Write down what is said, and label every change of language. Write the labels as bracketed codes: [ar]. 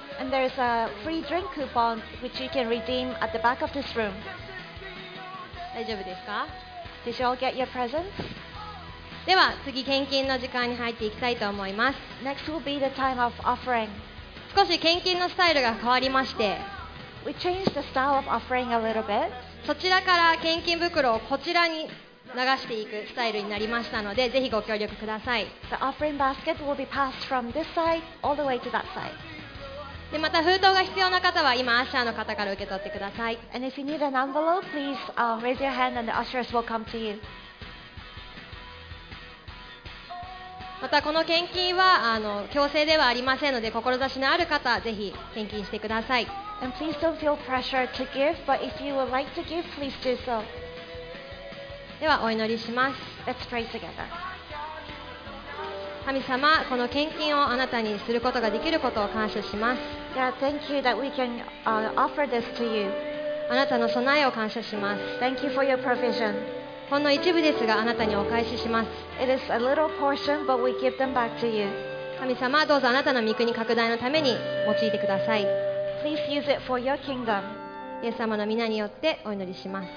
[en] And there is a free drink coupon which you can redeem at the back of this room. [ja] 大丈夫ですか? [en] Did you all get your presents? [ja] では次献金の時間に入っていきたいと思います。 [en] Next will be the time of offering. [ja] 少し献金のスタイルが変わりまして、 [en] We changed the style of offering a little bit. [ja] そちらから献金袋をこちらに流していくスタイルになりましたので、ぜひご協力ください。 [en] The offering basket will be passed from this side all the way to that side. [ja] で、また封筒が必要な方は今アッシャーの方から受け取ってください。 [en] And if you need an envelope, please raise your hand and the ushers will come to you. [ja] またこの献金は強制ではありませんので、志のある方ぜひ献金してください。 [en] And please don't feel pressure to give, but if you would like to give, please do so. [ja] ではお祈りします。 [en] Let's pray together. [ja] 神様、この献金をあなたにすることができることを感謝します。 [en] Yeah, thank you that we can offer this to you. [ja] あなたの備えを感謝します。 [en] Thank you for your provision. [ja] ほんの一部ですがあなたにお返しします。 [en] It is a little portion, but we give them back to you. [ja] 神様、どうぞあなたの御国拡大のために用いてください。 [en] Please use it for your kingdom. [ja] イエス様の御名によってお祈りします。